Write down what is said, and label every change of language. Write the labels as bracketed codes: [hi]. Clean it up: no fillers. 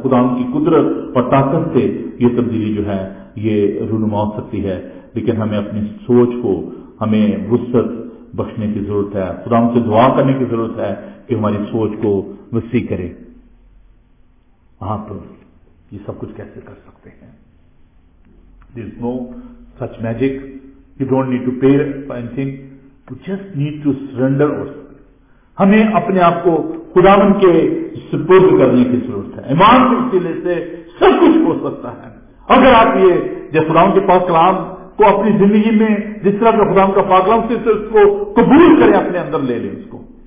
[ur] خداوند کی قدرت اور طاقت سے یہ تبدیلی جو ہے یہ رونما ہو سکتی ہے, لیکن ہمیں اپنی سوچ کو ہمیں وسعت بخشنے کی ضرورت ہے. خداوند سے دعا کرنے کی ضرورت ہے کہ ہماری سوچ کو وسیع کرے. آپ یہ سب کچھ کیسے کر سکتے ہیں؟ [en] There is no such magic. You don't need to pay for anything. You just need to surrender ourselves. [ur] ہمیں اپنے آپ کو خداوند کے سپرد کرنے کی ضرورت ہے. ایمان کے وسیلے سے سب کچھ ہو سکتا ہے. اگر آپ یہ جیسے خداوند کے پاس کلام کو اپنی زندگی میں جس طرح خدا کا پاکلام سے اس کو قبول کرے, اپنے اندر لے لے اس کو.